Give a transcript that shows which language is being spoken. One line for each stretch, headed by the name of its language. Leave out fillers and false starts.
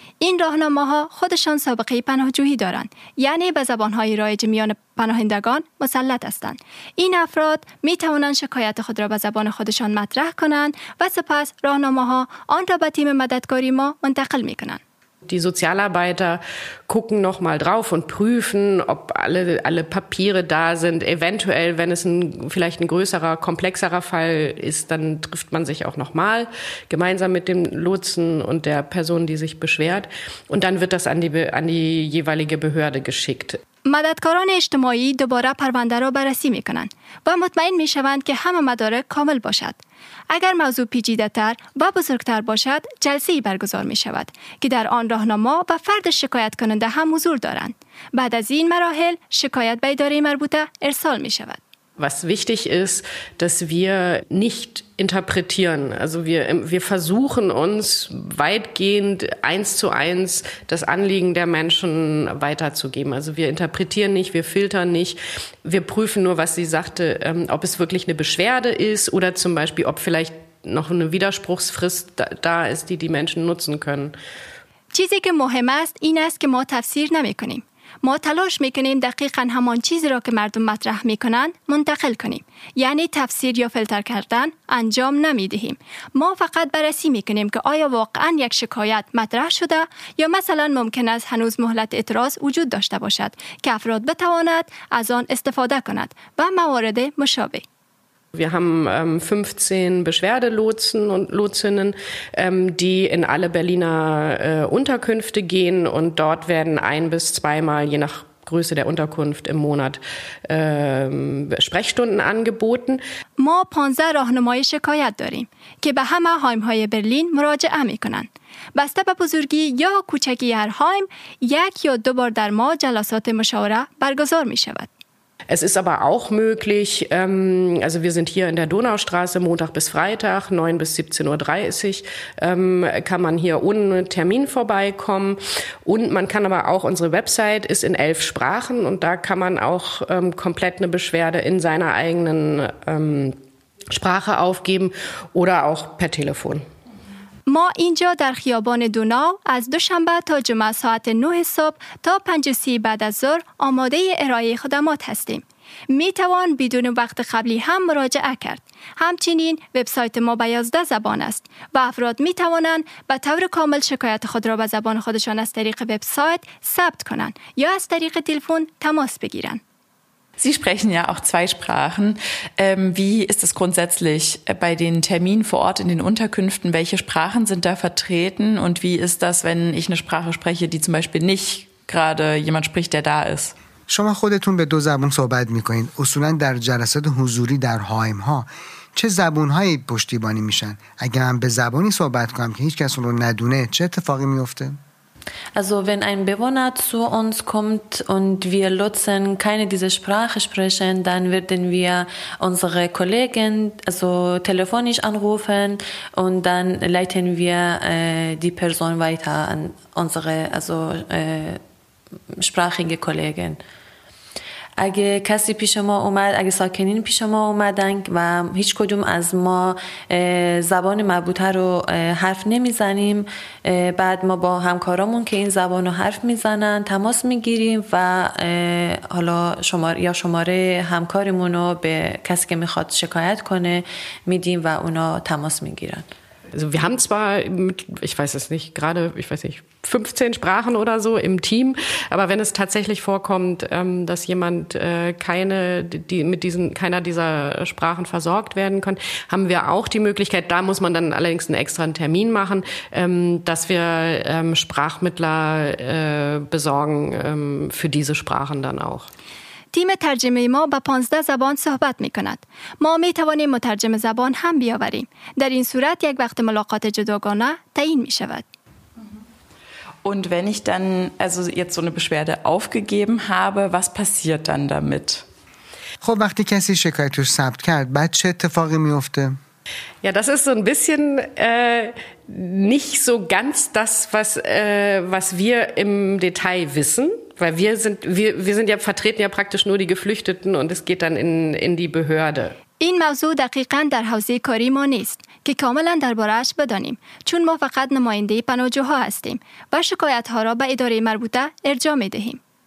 Persian: این راهنماها خودشان سابقه پناهجویی دارند، یعنی به زبانهای رایج میان پناهندگان مسلط هستند. این افراد می توانند شکایت خود را به زبان خودشان مطرح کنند و سپس راهنماها آن را به تیم مددکاری ما منتقل می کنند.
German: Die Sozialarbeiter gucken noch mal drauf und prüfen, ob alle Papiere da sind. Eventuell, wenn es vielleicht ein größerer, komplexerer Fall ist, dann trifft man sich auch noch mal gemeinsam mit dem Lotsen und der Person, die sich beschwert. Und dann wird das an die jeweilige Behörde geschickt.
Persian: مددکاران اجتماعی دوباره پرونده را بررسی می کنند و مطمئن می شوند که همه مدارک کامل باشد. اگر موضوع پیچیده تر و بزرگتر باشد، جلسه‌ای برگزار می شود که در آن راهنما و فرد شکایت کننده هم حضور دارند. بعد از این مراحل شکایت به اداره مربوطه ارسال می شود.
German: Was wichtig ist, dass wir nicht interpretieren. Also wir versuchen uns weitgehend eins zu eins das Anliegen der Menschen weiterzugeben. Also wir interpretieren nicht, wir filtern nicht. Wir prüfen nur, was sie sagte, ob es wirklich eine Beschwerde ist oder zum Beispiel, ob vielleicht noch eine Widerspruchsfrist da ist, die Menschen nutzen können.
Persian: چیزی که مهم است این است که ما تفسیر نمی‌کنیم. ما تلاش میکنیم دقیقا همان چیزی را که مردم مطرح میکنند منتقل کنیم. یعنی تفسیر یا فیلتر کردن انجام نمیدهیم. ما فقط بررسی میکنیم که آیا واقعا یک شکایت مطرح شده یا مثلا ممکن است هنوز مهلت اعتراض وجود داشته باشد که افراد بتواند از آن استفاده کند و موارد مشابه.
German: Wir haben 15 Beschwerdelotsen und Lotsinnen, die in alle Berliner Unterkünfte gehen und dort werden ein bis zweimal, je nach Größe der Unterkunft im Monat, Sprechstunden angeboten.
Persian: ما 15 راهنمای شکایت داریم که به همه هایم‌های برلین مراجعه می‌کنند. بسته به بزرگی یا کوچکی هر هایم، یک یا دو بار در ماه جلسات مشاوره برگزار می‌شود.
German: Es ist aber auch möglich, also wir sind hier in der Donaustraße, Montag bis Freitag, 9 bis 17:30 Uhr, kann man hier ohne Termin vorbeikommen. Und man kann aber auch, unsere Website ist in 11 Sprachen und da kann man auch komplett eine Beschwerde in seiner eigenen Sprache aufgeben oder auch per Telefon.
Persian: ما اینجا در خیابان دوناو از دوشنبه تا جمعه ساعت 9 صبح تا 5:30 بعد از ظهر آماده ارائه خدمات هستیم. می توان بدون وقت قبلی هم مراجعه کرد. همچنین وبسایت ما به 11 زبان است و افراد می توانند به طور کامل شکایت خود را به زبان خودشان از طریق وبسایت ثبت کنند یا از طریق تلفن تماس بگیرند.
German: Sie sprechen ja auch zwei Sprachen. Wie ist es grundsätzlich bei den Terminen vor Ort in den Unterkünften? Welche Sprachen sind da vertreten? Und wie ist das, wenn ich eine Sprache spreche, die zum Beispiel nicht gerade jemand spricht, der da ist?
Persian: شما خودتون به دو زبون صحبت میکنین. اصولا در جلسات حضوری در هایم ها چه زبون های پشتیبانی میشن؟ اگر من به زبانی صحبت کنم که هیچ کس اون رو ندونه چه اتفاقی میفته؟
German: Also wenn ein Bewohner zu uns kommt und wir Lotsen keine dieser Sprache sprechen, dann werden wir unsere Kollegen also telefonisch anrufen und dann leiten wir die Person weiter an unsere also sprachige Kollegen.
Persian: اگه کسی پیش ما اومد، اگه ساکنین پیش ما اومدن و هیچ کدوم از ما زبان مربوطه رو حرف نمیزنیم، بعد ما با همکارامون که این زبان رو حرف میزنن تماس میگیریم و حالا شماره همکارمون رو به کسی که میخواد شکایت کنه میدیم و اونا تماس میگیرن.
German: Also wir haben zwar, ich weiß es nicht, gerade, ich weiß nicht, 15 Sprachen oder so im Team, aber wenn es tatsächlich vorkommt, dass jemand keine, die mit diesen, keiner dieser Sprachen versorgt werden kann, haben wir auch die Möglichkeit, da muss man dann allerdings einen extra Termin machen, dass wir Sprachmittler besorgen für diese Sprachen dann auch.
Persian: تیم ترجمه ما با 15 زبان صحبت می کند. ما می توانیم مترجم زبان هم بیاوریم. در این صورت یک وقت ملاقات جداگانه تعیین می شود.
German: Und wenn ich dann also jetzt so eine Beschwerde aufgegeben habe, was passiert dann damit?
Persian: خب وقتی کسی شکایتش ثبت کرد، بعد چه اتفاقی می افته؟
German: Ja, das ist so ein bisschen nicht so ganz das, was wir im Detail wissen. Weil wir sind ja vertreten ja praktisch nur die Geflüchteten und es geht dann in die Behörde.
Persian: این موضوع دقیقاً در حوزه کاری ما نیست که کاملاً درباره‌اش بدانیم چون ما فقط نماینده پناهجوها هستیم و شکایت‌ها را به اداره مربوطه ارجاع می‌دهیم.